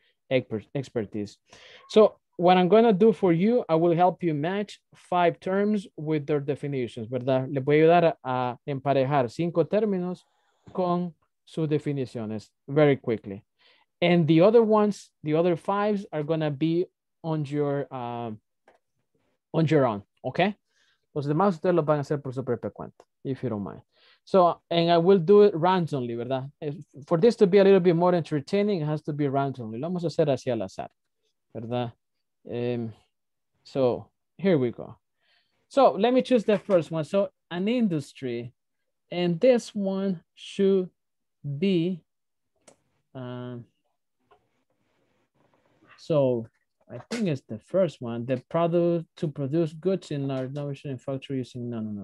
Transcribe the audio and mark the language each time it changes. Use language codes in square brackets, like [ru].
[en] Expertise. So what I'm going to do for you, I will help you match 5 terms with their definitions, ¿verdad? [es] Le voy a ayudar a emparejar 5 términos con sus definiciones [en] very quickly. And the other ones, the other 5s are going to be on your own, okay? [es] Los demás ustedes lo van a hacer por su propia cuenta, [en] if you don't mind. So, and I will do it randomly, [es] ¿verdad? [en] For this to be a little bit more entertaining, it has to be randomly. [es] Lo vamos a hacer así al azar, ¿verdad? [en] So, here we go. So, let me choose the first one. So, an industry, and this one should be... I think it's the first one, the product to produce goods in large numbers in factory using, no.